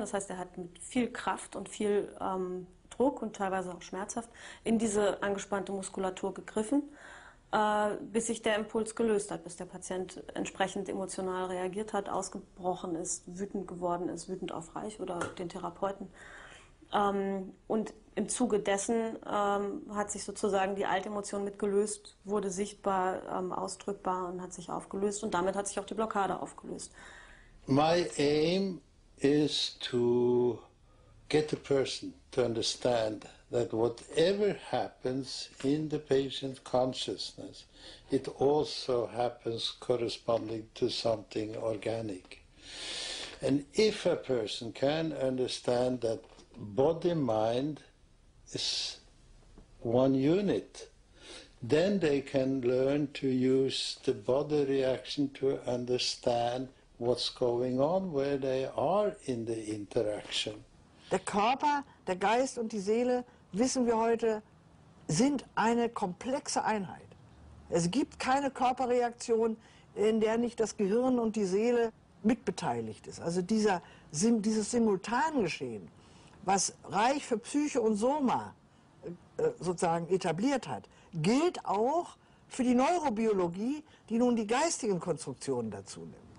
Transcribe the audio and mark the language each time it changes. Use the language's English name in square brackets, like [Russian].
[German] Das heißt, er hat mit viel Kraft und viel Druck und teilweise auch schmerzhaft in diese angespannte Muskulatur gegriffen, bis sich der Impuls gelöst hat, bis der Patient entsprechend emotional reagiert hat, ausgebrochen ist, wütend geworden ist, wütend auf Reich oder den Therapeuten. Und im Zuge dessen hat sich sozusagen die alte Emotion mitgelöst, wurde sichtbar, ausdrückbar und hat sich aufgelöst. Und damit hat sich auch die Blockade aufgelöst. [English] My aim is to get the person to understand that whatever happens in the patient's consciousness, it also happens corresponding to something organic. And if a person can understand that body-mind is one unit, then they can learn to use the body reaction to understand what's going on, where they are in the interaction. [German] Der Körper, der Geist und die Seele, wissen wir heute, sind eine komplexe Einheit. Es gibt keine Körperreaktion, in der nicht das Gehirn und die Seele mitbeteiligt ist. Also dieses Simultangeschehen, was Reich für Psyche und Soma sozusagen etabliert hat, gilt auch für die Neurobiologie, die nun die geistigen Konstruktionen dazu nimmt.